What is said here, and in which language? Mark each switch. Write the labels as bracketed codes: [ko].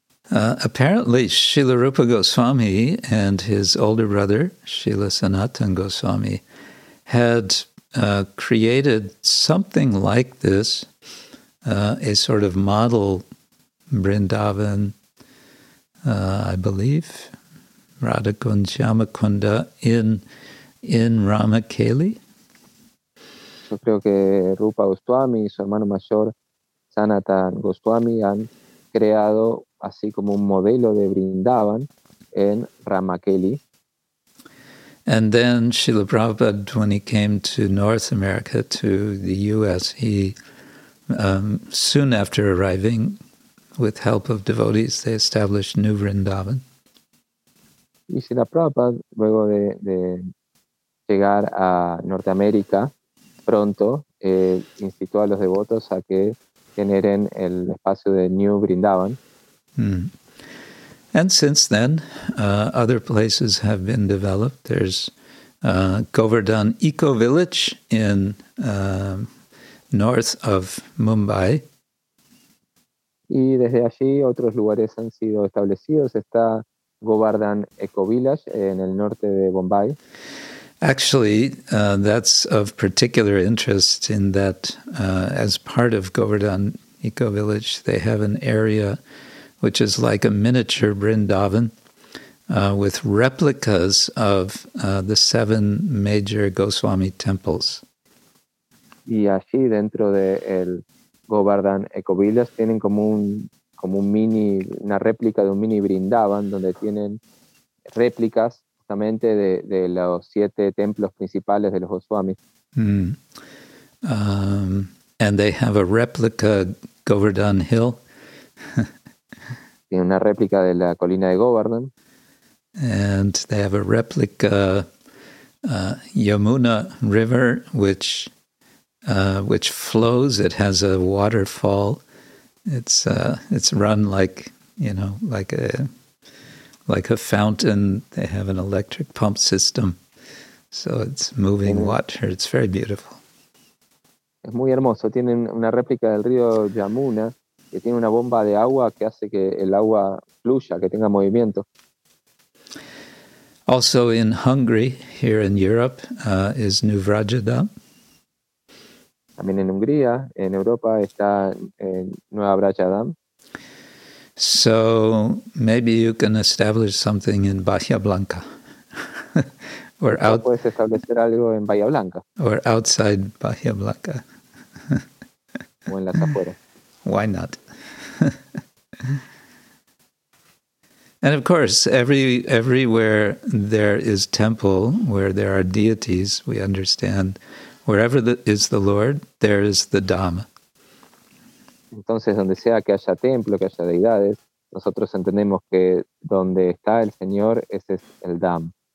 [en] Apparently, Srila Rupa Goswami and his older brother, Srila Sanatana Goswami, had created something like this, a sort of model Vrindavan, I believe, Radhakund, Shyamakunda, in Ramakeli. [es] Yo creo que Rupa Goswami y su hermano mayor, Sanatana Goswami, han creado así como un modelo de Vrindavan en Ramakeli. [en] And then Srila Prabhupada, when he came to North America, to the U.S., he, soon after arriving, with help of devotees, they established New Vrindavan. [es] Y Srila Prabhupada, luego de llegar a Norteamérica, pronto, incitó a los devotos a que generen el espacio de New Vrindavan. [en] And since then, other places have been developed. There's Govardhan Eco Village in north of Mumbai. [es] Y desde allí otros lugares han sido establecidos. Está Govardhan Eco Village en el norte de Bombay. [en] Actually, that's of particular interest in that as part of Govardhan Eco Village, they have an area which is like a miniature Vrindavan with replicas of the seven major Goswami temples. [es] Y allí dentro de el Govardhan Eco Village tienen una réplica de un mini Vrindavan donde tienen réplicas justamente de los siete templos principales de los Goswami. [en] And they have a replica Govardhan Hill. [es] Tiene una réplica de la colina de Govardhan. [en] And they have a replica Yamuna River, which flows. It has a waterfall. It's run like a fountain. They have an electric pump system. So it's moving water. It's very beautiful. [es] Es muy hermoso. Tienen una réplica del río Yamuna que tiene una bomba de agua que hace que el agua fluya, que tenga movimiento. [en] Also in Hungary, here in Europe, is Nuvrajadam. [es] También en Hungría, en Europa, está Nueva Vrajadam. [en] So maybe you can establish something in Bahía Blanca. Or out, [es] puedes establecer algo en Bahía Blanca. [en] Or outside Bahía Blanca. [es] O en las afueras. [en] Why not? And of course, everywhere there is temple, where there are deities, we understand, wherever is the Lord, there is the Dhamma. [es] Entonces, donde sea que haya templo, que haya deidades, nosotros entendemos que donde está el Señor, ese es el Dhamma.